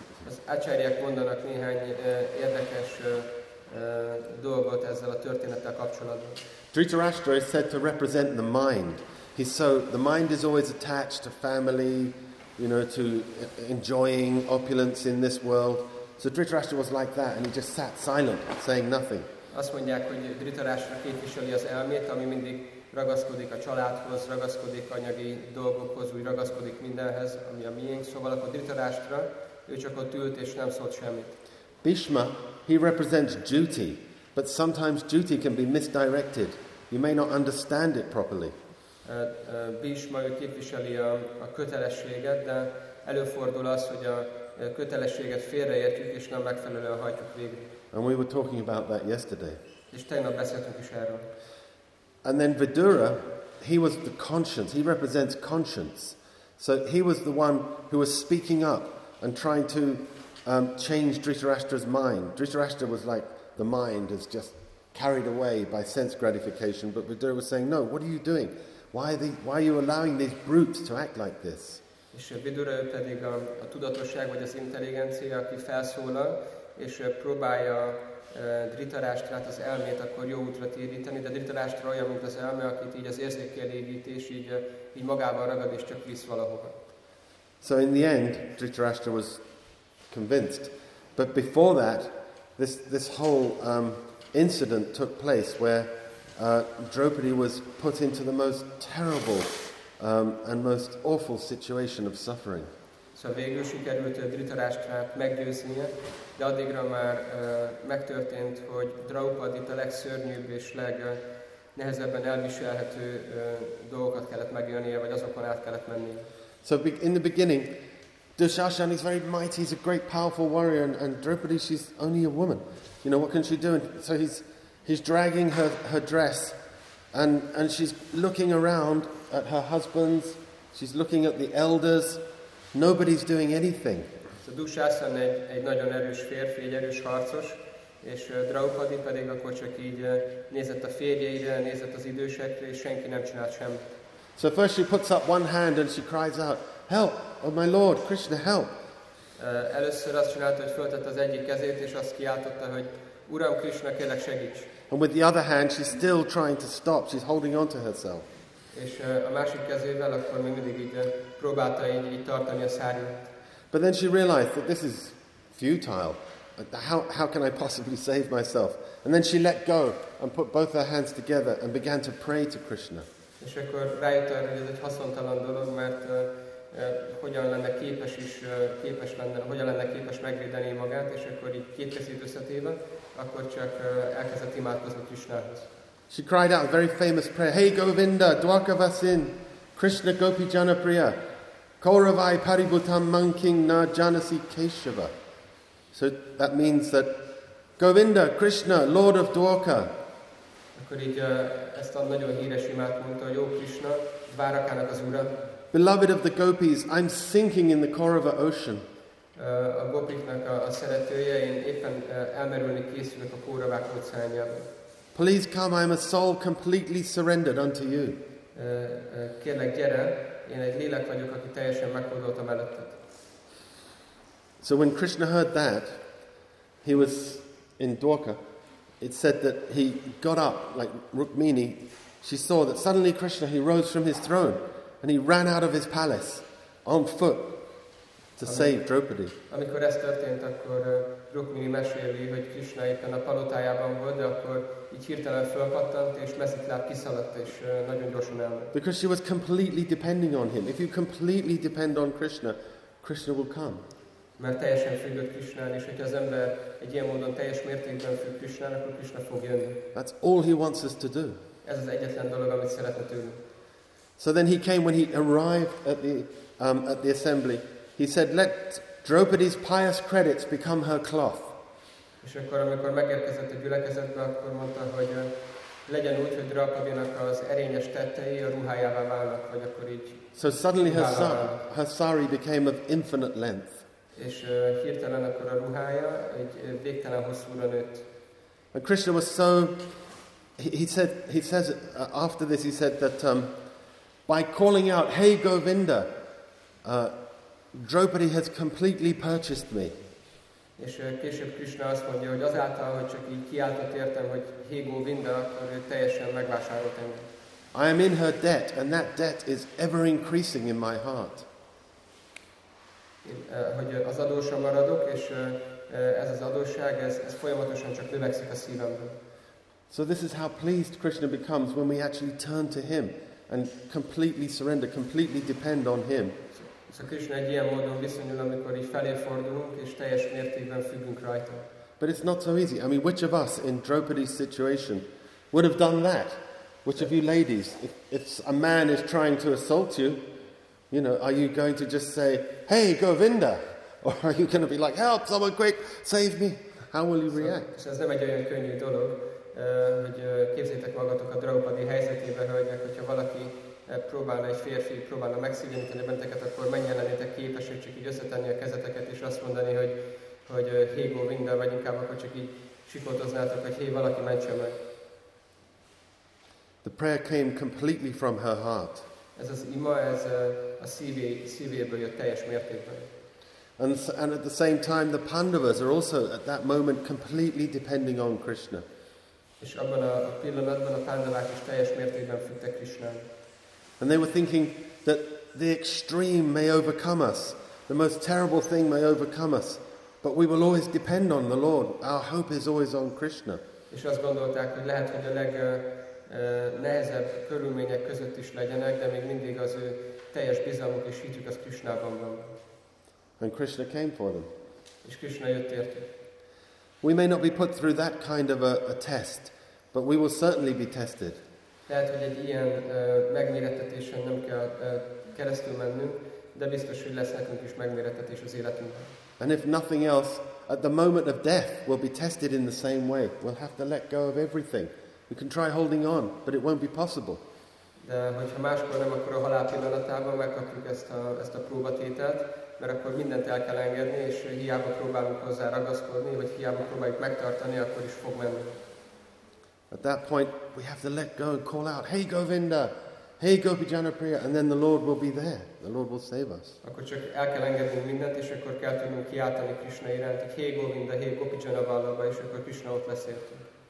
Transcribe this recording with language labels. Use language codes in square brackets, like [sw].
[hu] Az Acharyák mondanak néhány érdekes dolgot ezzel a történettel kapcsolatban. [en] Dhritarashtra is said to represent the mind. He's so, the mind is always attached to family, you know, to enjoying opulence in this world. So Dhritarashtra was like that, and he just sat silent, saying nothing. [hu] Azt mondják, hogy Dhritarashtra képviseli az elmét, ami mindig ragaszkodik a családhoz, ragaszkodik anyagi dolgokhoz, úgy ragaszkodik mindenhez, ami a miénk. Szóval akkor Dhritarashtra, ő csak ott ült és nem szólt semmit. [en] Bhishma, he represents duty, but sometimes duty can be misdirected. You may not understand it properly. [hu] Bhishma, ő képviseli a kötelességet, de előfordul az, hogy a kötelességet félreértjük és nem megfelelően hajtjuk végre. [en] And we were talking about that yesterday. [hu] És tegnap beszéltünk is erről. [en] And then Vidura, he was the conscience. He represents conscience. So he was the one who was speaking up and trying to change Dhritarashtra's mind. Dhritarashtra was like, the mind is just carried away by sense gratification. But Vidura was saying, no, what are you doing? Why are you allowing these brutes to act like this? [hu] És Vidura pedig a tudatosság vagy az intelligencia, aki felszólal, és próbálja Dhritarashtrát, az elmét, akkor jó útra téríteni, de Dhritarashtra olyan, mint az elme, akit így az érzékelégítés így magában ragad, és csak visz valahova. [en] So in the end, Dhritarashtra was convinced. But before that, this whole incident took place where Draupadi was put into the most terrible and most awful situation of suffering. [hu] Szóval végül sikerült Dhritarashtrát meggyőznie, de addigra már megtörtént, hogy Draupadit a legszörnyűbb és legnehezebben elviselhető dolgokat kellett megélnie, vagy azokon át kellett menni. [en] So in the beginning, Dushasana is very mighty, he's a great powerful warrior, and Draupadi, she's only a woman. You know, what can she do? And so he's dragging her dress, and she's looking around at her husbands, she's looking at the elders. Nobody's doing anything. [hu] So Dushasana egy nagyon erős férfi, egy erős harcos, és Draupadi pedig akkor csak így nézett a férjeire, nézett az idősekre, és senki nem csinált semmit. [en] So first she puts up one hand and she cries out, "Help, oh my Lord, Krishna, help!" [hu] Először azt csinálta, hogy föltett az egyik kezét, és azt kiáltotta, hogy Uram Krishna, kérlek segíts! [en] And with the other hand she's still trying to stop, she's holding on to herself. [hu] És a másik kezével akkor még mindig így próbálta így tartani a szárnyát. [en] But then she realized that this is futile. How can I possibly save myself? And then she let go and put both her hands together and began to pray to Krishna. [hu] És akkor rájött arra, hogy ez egy haszontalan dolog, mert hogyan lenne képes megvédeni magát, és akkor így két kezét összetéve, akkor csak elkezdett imádkozni Krishnához. [en] She cried out a very famous prayer, "Hey Govinda, Dwarkavasin, Krishna Gopi Janapriya, [sa] Kauravai Paributam Manking Na Janasi Keshava." [en] So that means that Govinda, Krishna, Lord of Dwarka. [hu] Akkor így ezt a nagyon híres imát mondta, jó Krishna, Dvárakának az ura. [en] Beloved of the gopis, I'm sinking in the Kaurava ocean. [hu] A gopiknak a szeretője, én éppen elmerülni készülök a Kauravák óceánjába. [en] Please come, I am a soul completely surrendered unto you. [hu] Kérlek, gyere, én egy lélek vagyok, aki teljesen meghódoltam előtted. [en] So when Krishna heard that, he was in Dwarka, it said that he got up, like Rukmini, she saw that suddenly Krishna, he rose from his throne, and he ran out of his palace, on foot, to save Draupadi. [hu] Amikor ez történt, akkor Rukmini meséli, hogy Krishna éppen a palotájában volt, de akkor így hirtelen fölpattant, és mezitláb kiszaladt, és nagyon gyorsan elment. [en] Because she was completely depending on him. If you completely depend on Krishna, Krishna will come. [hu] Mert teljesen függött Krishnán, és hogyha az ember egy ilyen módon teljes mértékben függ Krishnán, akkor Krishna fog jönni. [en] That's all he wants us to do. [hu] Ez az egyetlen dolog, amit szeretne tőlünk. [en] So then he came, when he arrived at the assembly, he said, "Let Draupadi's pious credits become her cloth." [hu] És akkor, amikor megérkezett a gyülekezetbe, akkor mondta, hogy legyen úgy, hogy Draupadinak az erényes tettei a ruhájává válnak, vagy akkor így. [en] So suddenly her sari became of infinite length. [hu] És hirtelen akkor a ruhája egy végtelen hosszúra nőtt. [en] And Krishna was so, he said that by calling out, "Hey Govinda," Draupadi has completely purchased me. [hu] És később Krishna azt mondja, hogy azáltal, hogy csak így kiáltott értem, hogy "Hey Govinda," akkor ő teljesen megvásárolt engem. [en] I am in her debt, and that debt is ever increasing in my heart. [hu] Hogy az adósa maradok, és ez az adósság, ez folyamatosan csak növekszik a szívemben. [en] So this is how pleased Krishna becomes when we actually turn to him and completely surrender, completely depend on him. [hu] So Krishna egy ilyen módon viszonyul, amikor így felé fordulunk, és teljes mértékben függünk rajta. [en] But it's not so easy. I mean, which of us in Draupadi's situation would have done that? Which of you ladies, if a man is trying to assault you, You know, are you going to just say, "Hey, Govinda," or are you going to be like, "Help, someone quick, save me"? How will you react? [hu] És ez nem egy olyan könnyű dolog, hogy képzétek magatok a Draupadi helyzetébe, hölgyek, hogyha valaki próbálna, egy férfi próbálna megszívni benneteket, akkor mennyi lennétek képes, hogy csak így összetenni a kezeteket, és azt mondani, hogy hey, Govinda, vagy inkább akkor csak így sikoltoznátok, hogy hey, valaki mentse meg. [en] The prayer came completely from her heart. [hu] Ez az ima, ez a szívéből jött teljes mértékben. [en] And at the same time, the Pandavas are also at that moment completely depending on Krishna. [hu] És abban a pillanatban a Pandavák is teljes mértékben függtek Krishnán. [en] And they were thinking that the extreme may overcome us, the most terrible thing may overcome us, but we will always depend on the Lord. Our hope is always on Krishna. [hu] És azt gondolták, hogy lehet, hogy a legnehezebb körülmények között is legyenek, de még mindig az ő teljes bizalmuk és hitük az Krishnában van. [en] And Krishna came for them. [hu] És Krishna jött értük. [en] We may not be put through that kind of a test, but we will certainly be tested. [hu] Lehet, hogy egy ilyen megmérettetésen nem kell keresztül mennünk, de biztos, hogy lesz nekünk is megmérettetés az életünkben. [en] And if nothing else, at the moment of death, we'll be tested in the same way. We'll have to let go of everything. We can try holding on, but it won't be possible. [hu] De hogyha máskor nem, akkor a halál pillanatában megkapjuk ezt a próbatételt, mert akkor mindent el kell engedni, és hiába próbálunk hozzá ragaszkodni, vagy hiába próbáljuk megtartani, akkor is fog menni. [en] At that point, we have to let go and call out, "Hey Govinda, hey Gopi Janapriya," and then the Lord will be there. The Lord will save us. [hu] Akkor csak el kell engednünk mindent, és akkor kell tudnunk kiáltani Krishna iránt, hogy "Hey Govinda, hey Gopi Janavallabha," és akkor Krishna ott lesz értünk.